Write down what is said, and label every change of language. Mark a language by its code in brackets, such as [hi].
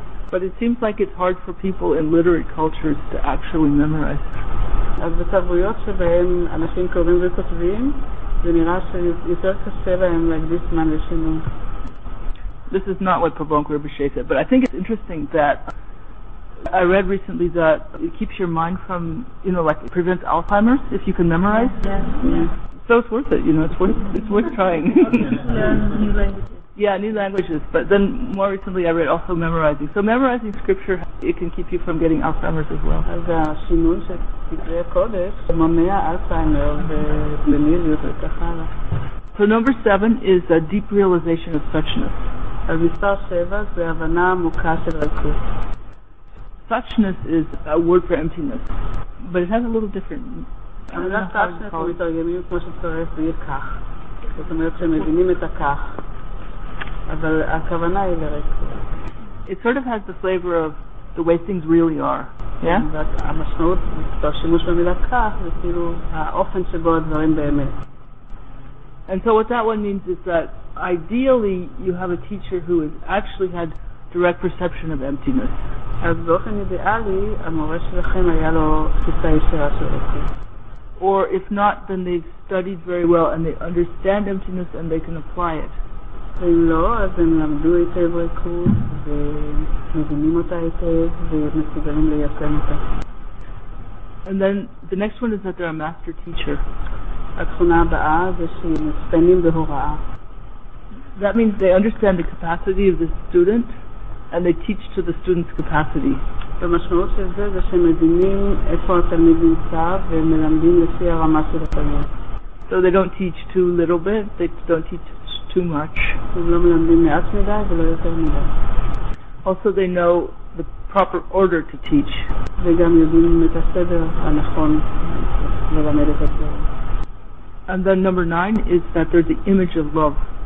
[en] But it seems like it's hard for people in literate cultures to actually memorize. [he] אז בתרבויות שבהן אנשים קוראים וכותבים, זה נראה שיותר קשה להם להקדיש זמן לשינון. [en] This is not what Pabong Rinpoche said, but I think it's interesting that I read recently that it keeps your mind from, you know, like it prevents Alzheimer's if you can memorize. Yes. So it's worth it, you know, it's worth trying. Learn new languages. Yeah, new languages. But then more recently I read also memorizing. So memorizing scripture, it can keep you from getting Alzheimer's as well. [he] אז השינוי של דברי הקודש מונע אלצהיימר ודמנציה וככה הלאה. [en] So number 7 is a deep realization of suchness. [he] אז מספר 7 זה הבנה עמוקה של ריקות. [en] Suchness is a word for emptiness, but it has a little different. I'm not sure how to call it. [he] מתרגמים כמו שצורף ויהיה כך. זאת אומרת שמבינים את הכך. אבל הכוונה היא לריקות. [en] It sort of has the flavor of the way things really are. Yeah? [he] המשמעות, השימוש במילה כך, זה כאילו האופן שבו הדברים באמת. [en] And so what that one means is that ideally you have a teacher who has actually had direct perception of emptiness. [he] אז באופן אידיאלי, המורה שלכם היה לו תפיסה ישירה של ריקות. [en] Or if not, then they've studied very well and they understand emptiness and they can apply it. [he] אם לא, אז הם למדו היטב ריקות ומבינים אותה היטב ומסוגלים ליישם אותה. [en] And then the next one is that they're a master teacher. [he] התכונה הבאה זה שהם מצטיינים בהוראה. [en] That means they understand the capacity of the student and they teach to the student's capacity. [he] במשמעות של זה, זה שהם מבינים איפה התלמיד נמצא ומלמדים לפי הרמה של התלמיד. [en] So they don't teach too little bit, they don't teach too much. [he] הם לא מלמדים מעט מדי ולא יותר מדי. [en] Also they know the proper order to teach. [he] וגם יודעים את הסדר הנכון ללמד את הסדר. [en] And then number 9 is that they're the image of love.